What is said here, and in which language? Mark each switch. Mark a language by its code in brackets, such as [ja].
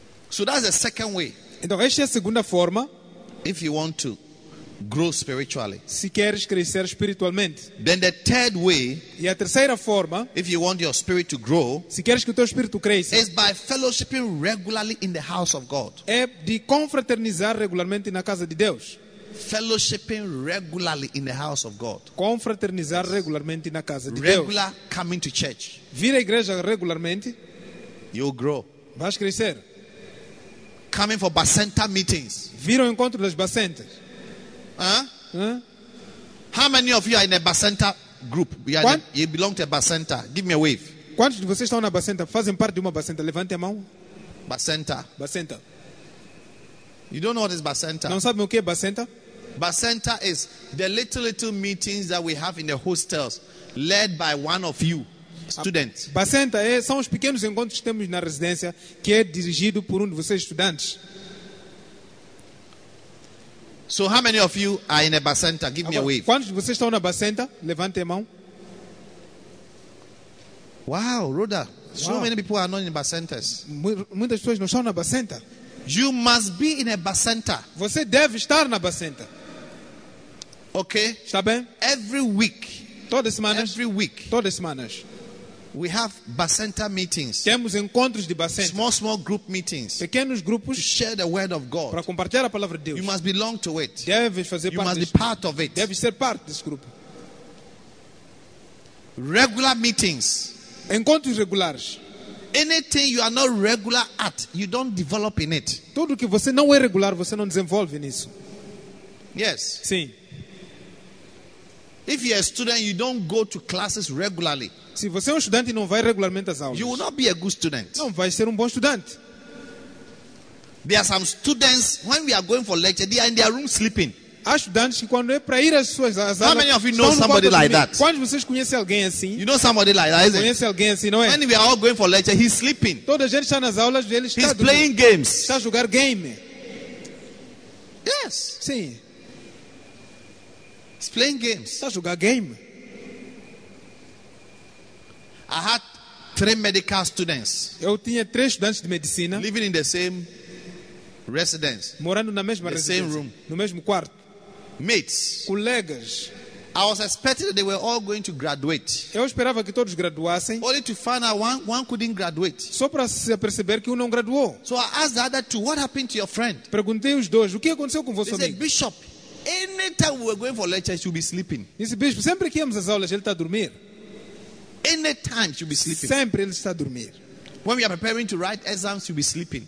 [en] So that's the second way. [pt] Então esta é a segunda forma. [en] If you want to grow spiritually. [pt] Se queres crescer espiritualmente. [en] Then the third way. [pt] E a terceira forma. [en] If you want your spirit to grow. [pt] Se queres que o teu espírito cresça. [en] Is by fellowshipping regularly in the house of God. [pt] É de confraternizar regularmente na casa de Deus. [en] Fellowshipping regularly in the house of God. [pt] Confraternizar regularmente na casa de [en] Regular [pt] Deus. [en] Regular coming to church. [pt] Vir à igreja regularmente. [en] You'll grow. [pt] Vais crescer. [en] Coming for Bacenta meetings. [pt] Vir ao encontro das Bacentas. [en] How many of you are in a Bacenta group? You belong to a Bacenta. Give me a wave. [pt] Quantos de vocês estão na Bacenta? Fazem parte de uma Bacenta? Levante a mão. Bacenta. Bacenta. [en] You don't know what is Bacenta. [pt] Não sabem o que é Bacenta? [en] Bacenta is the little meetings that we have in the hostels, led by one of you, students. [pt] Bacenta é, são os pequenos encontros que temos na residência, que é dirigido por de vocês, estudantes. [en] So how many of you are in a Bacenta? Give me a wave. [pt] Quantos de vocês estão na Bacenta? Levante a mão. [en] Wow, Rhoda. Wow. So many people are not in Bacentas. [pt] Muitas pessoas não estão na Bacenta. [en] You must be in a Bacenta. [pt] Você deve estar na Bacenta. [en] Okay? [pt] Está bem? [en] Every week. [pt] Todas semanas. [en] Every week. [pt] Todas semanas. [en] We have Bacenta meetings. [pt] Temos encontros de Bacenta. [en] Small group meetings. [pt] Pequenos grupos. [en] To share the word of God. [pt] Para compartilhar a palavra de Deus. [en] You must belong to it. [pt] Deves fazer parte. [en] You must be part of it. [pt] Deves ser parte desse grupo. [en] Regular meetings. [pt] Encontros regulares. [en] Anything you are not regular at, you don't develop in it. [pt] Tudo que você não é regular, você não desenvolve nisso. [en] Yes. [pt] Sim. [en] If you're a student, you don't go to classes regularly. [pt] Se você é estudante e não vai regularmente às aulas, [en] you will not be a good student. [pt] Não vai ser bom estudante. [en] There are some students, when we are going for lecture, they are in their room sleeping. [pt] Há estudantes que quando é para ir às suas aulas. [en] How many of you know somebody like that? [pt] Quando vocês conhecem alguém assim? [en] You know somebody like that, isn't it? [pt] Conhece alguém assim, não é? [en] When we are all going for lecture, he's sleeping. [pt] Toda a gente está nas aulas, ele está. [en] He's playing games. [pt] Está a jogar game. [en] Yes. [pt] Sim. [en] He's playing games. [pt] Está a jogar game. [en] I had three medical students. [pt] Eu tinha três estudantes de medicina. [en] Living in the same residence. [pt] Morando na mesma [en] the [pt] residência. [en] Same room. [pt] No mesmo quarto. [en] Mates. [pt] Colegas. [en] I was expecting that they were all going to graduate. [pt] Eu esperava que todos graduassem. [en] Only to find out one couldn't graduate. [pt] Só para se aperceber que não graduou. [en] So I asked the other two, what happened to your friend? [pt] Perguntei os dois, o que aconteceu com vosso amigo? [en] They said, Bishop, anytime we were going for lecture, he should be sleeping. [pt] Disse, Bishop, sempre que íamos às aulas, ele está a dormir. [en] Anytime he should be sleeping. [pt] Sempre ele está a dormir. [en] When we are preparing to write exams, you'll be sleeping.